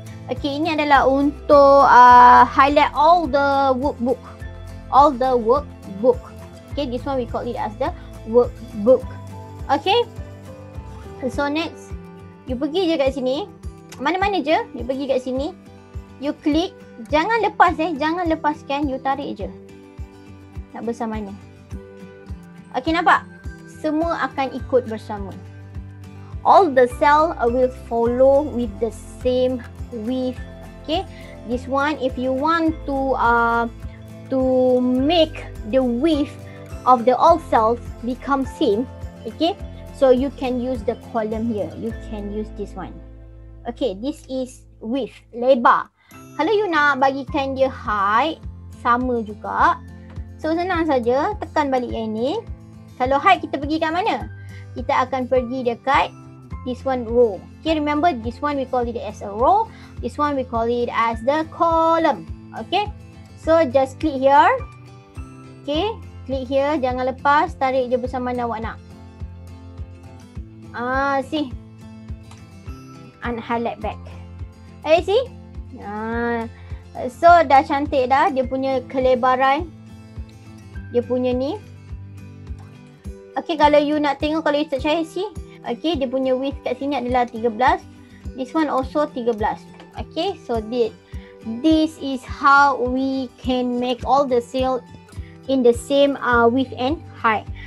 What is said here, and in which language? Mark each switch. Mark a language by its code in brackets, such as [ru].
[en] Okay, [ms] ini adalah untuk [en] highlight all the workbook. All the workbook. Okay, this one we call it as the workbook. Okay. So next, you [ms] pergi je kat sini. Mana-mana je, you pergi kat sini. [en] You click. [ms] Jangan lepas eh. Jangan lepaskan. You tarik je. Nak besar mana. Okay, nampak? Semua akan ikut bersama. [en] All the cell will follow with the same width. Okay. This one, if you want to make the width of the all cells become same. Okay. So, you can use the column here. You can use this one. Okay, this is width, [ms] lebar. Kalau you nak bagikan dia height, sama juga. So, senang saja, tekan balik yang ini. Kalau height, kita pergi kat mana? Kita akan pergi dekat [en] this one row. Okay, remember this one we call it as a row. This one we call it as the column. Okay, so just click here. Okay, click here. [ms] Jangan lepas, tarik je bersama mana awak nak. [en] Ah, see. Unhighlight back. Eh, see? [ms] So, dah cantik dah. Dia punya kelebaran. Dia punya ni. Okay, kalau you nak tengok, kalau you tak percaya, see? Okay, dia punya width kat sini adalah 13. [en] This one also 13. Okay, so this is how we can make all the cell in the same width and height.